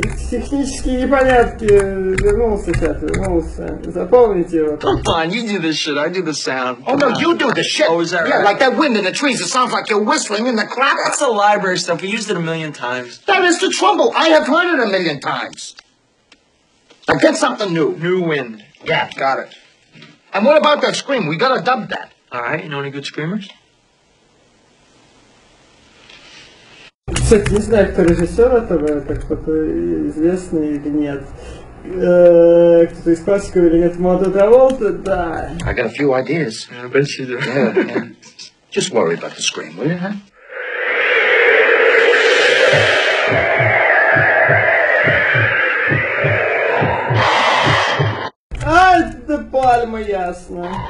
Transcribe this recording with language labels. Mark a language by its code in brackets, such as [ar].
[ru] Технические непонятки. Вернулся сейчас, вернулся. Запомните его. [en] Come on, you do this shit, I do the sound. Oh no, you do the shit. Oh, is that right? Yeah, like that wind in the trees, it sounds like you're whistling in the crowd. That's the library stuff, we used it a million times. That is the trouble, I have heard it a million times. Now get something new. New wind. Yeah, got it. And what about that scream? We gotta dub that. All right, you know any good screamers? [ru] Кстати, не знаю, кто режиссер этого, это кто-то известный или нет. Кто-то из классиков или нет, Мадо Траволта, да. [en] I got a few ideas. Yeah, I bet you do. Yeah, yeah. Just worry about the scream, will you, huh? [ru] Пальма, ясно.